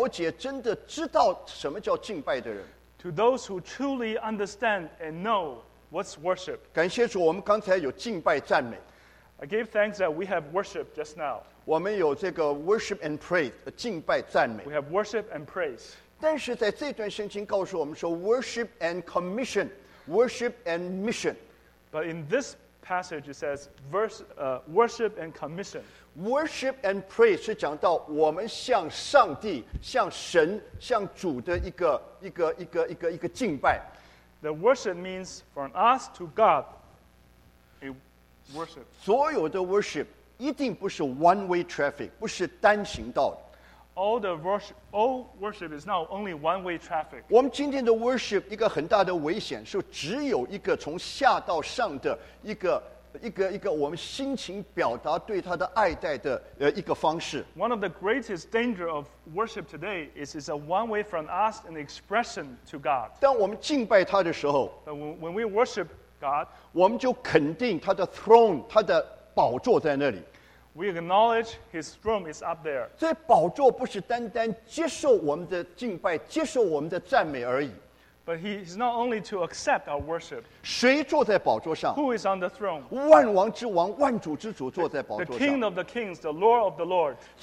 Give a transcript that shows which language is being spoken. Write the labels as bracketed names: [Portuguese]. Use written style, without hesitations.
[Chinese] 那些真的懂得、真的了解、真的知道什么叫敬拜的人。 [English] To those who truly understand and know what's worship. [Chinese] 感谢主，我们刚才有敬拜赞美。 [English] I give thanks that we have worship just now. [Chinese] 我们有这个 [English] worship and praise, [Chinese] 敬拜赞美。 [English] We have worship and praise. [Chinese] 但是在这段圣经告诉我们说 [English] worship and commission, worship and mission. But in this passage, it says worship and commission. Worship and praise [Chinese] 是讲到我们向上帝、向神、向主的一个敬拜。 [English] The worship means from us to God, a worship. [Chinese] 所有的 worship 一定不是 [English] one-way traffic, [Chinese] 不是单行道的。 [English] All worship is not only one-way traffic. [Chinese] 我们今天的 worship 一个很大的危险，是只有一个从下到上的一个我们心情表达对他的爱戴的一个方式。One [English] of the greatest danger of worship today is it's a one-way from us an expression to God. [Chinese] 当我们敬拜他的时候 [English] when we worship God, [Chinese] 我们就肯定他的 throne, 他的宝座在那里。 [English] We acknowledge His throne is up there. [Chinese] 这宝座不是单单接受我们的敬拜、接受我们的赞美而已。 [English] But He is not only to accept our worship. [Chinese] 谁坐在宝座上？ [English] Who is on the throne? [Chinese] 万王之王、万主之主坐在宝座上。 [English] The King of the Kings, the Lord of the Lords.